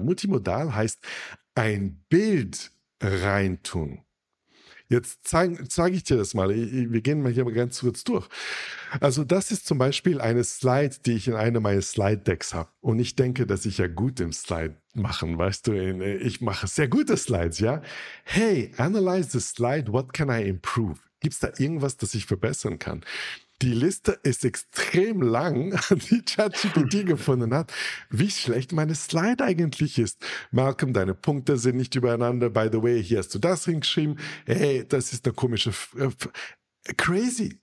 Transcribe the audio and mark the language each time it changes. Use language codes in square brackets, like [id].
[de] Multimodal heißt ein Bild reintun. Jetzt zeige ich dir das mal. Wir gehen mal hier mal ganz kurz durch. Also das ist zum Beispiel eine Slide, die ich in einem meiner Slide-Decks habe. Und ich denke, dass ich ja gut im Slide machen, weißt du. Ich mache sehr gute Slides, ja. [en] Hey, analyze the slide, what can I improve? [de] Gibt es da irgendwas, das ich verbessern kann? Die Liste ist extrem lang, die ChatGPT gefunden hat, wie schlecht meine Slide eigentlich ist. Malcolm, deine Punkte sind nicht übereinander. [en] By the way, [de] hier hast du das hingeschrieben. Hey, das ist eine komische... crazy.